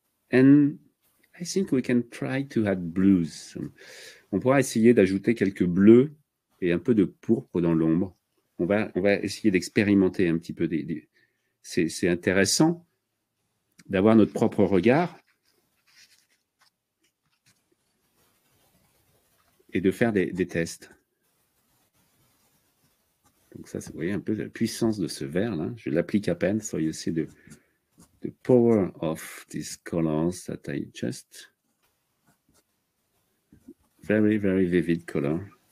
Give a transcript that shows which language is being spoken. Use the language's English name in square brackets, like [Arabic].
[English] And I think we can try to add blues. [French] On pourra essayer d'ajouter quelques bleus et un peu de pourpre dans l'ombre. On va essayer d'expérimenter un petit peu. C'est intéressant d'avoir notre propre regard. Et de faire des tests. Donc ça, vous voyez un peu la puissance de ce vert là. Je l'applique à peine. [English] So you see the power of these colors that I just very very vivid color.